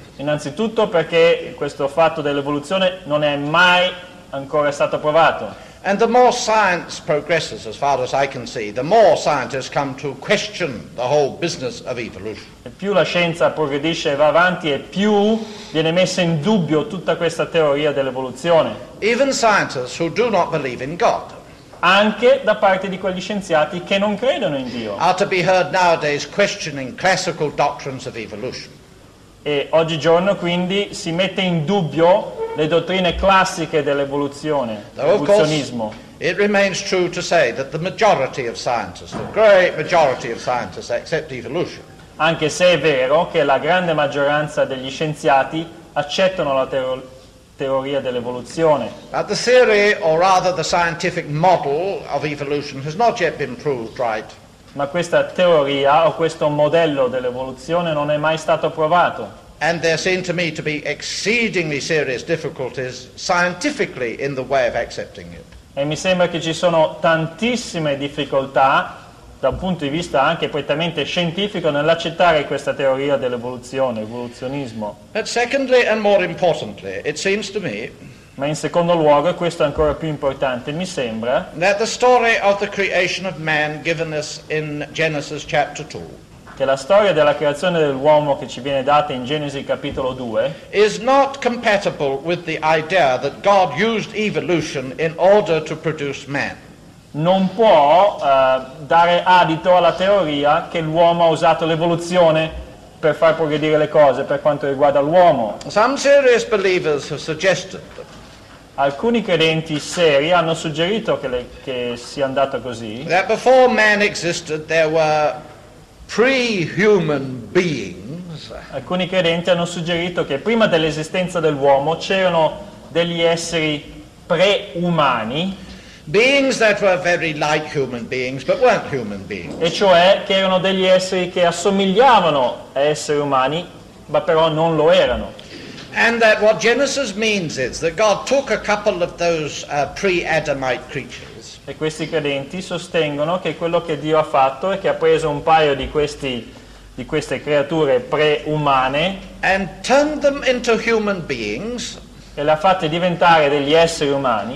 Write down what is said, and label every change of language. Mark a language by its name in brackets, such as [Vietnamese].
[Italian] Innanzitutto perché questo fatto dell'evoluzione non è mai ancora stato provato. [English] And the more science progresses, as far as I can see, the more scientists come to question the whole business of evolution. [Italian] E più la scienza progredisce e va avanti, e più viene messa in dubbio tutta questa teoria dell'evoluzione. [English] Even scientists who do not believe in God. [Italian] Anche da parte di quegli scienziati che non credono in Dio. [English] Are to be heard nowadays questioning classical doctrines of evolution. [Italian] E oggigiorno quindi si mette in dubbio le dottrine classiche dell'evoluzione, dell'evoluzionismo. [English] It remains true to say that the majority of scientists, the great majority of scientists, accept evolution. [Italian] Anche se è vero che la grande maggioranza degli scienziati accettano la teoria dell'evoluzione. [English] But the theory, or rather the scientific model of evolution, has not yet been proved right. [Italian] Ma questa teoria o questo modello dell'evoluzione non è mai stato provato. [English] And there seem to me to be exceedingly serious difficulties scientifically in the way of accepting it. [Italian] E mi sembra che ci sono tantissime difficoltà da un punto di vista anche prettamente scientifico nell'accettare questa teoria dell'evoluzione, evoluzionismo. [English] But secondly and more importantly, it seems to me, [Italian] ma in secondo luogo, e questo è ancora più importante, mi sembra, [English] that the story of the creation of man given us in Genesis chapter 2, [Italian] che la storia della creazione dell'uomo che ci viene data in Genesi capitolo 2, [English] is not compatible with the idea that God used evolution in order to produce man. [Italian] non può dare adito alla teoria che l'uomo ha usato l'evoluzione per far progredire le cose per quanto riguarda l'uomo. [English] Some serious believers have suggested. [Italian] Alcuni credenti seri hanno suggerito che sia andata così. [English] That before man existed there were pre-human beings. [Italian] Alcuni credenti hanno suggerito che prima dell'esistenza dell'uomo c'erano degli esseri pre-umani. [English] Beings that were very like human beings, but weren't human beings. [Italian] E cioè che erano degli esseri che assomigliavano a esseri umani, ma però non lo erano. [English] And that what Genesis means is that God took a couple of those pre-Adamite creatures. [Italian] E questi credenti sostengono che quello che Dio ha fatto è che ha preso un paio di questi di queste creature pre-umane [English] and turned them into human beings. [Italian] E le ha fatte diventare degli esseri umani.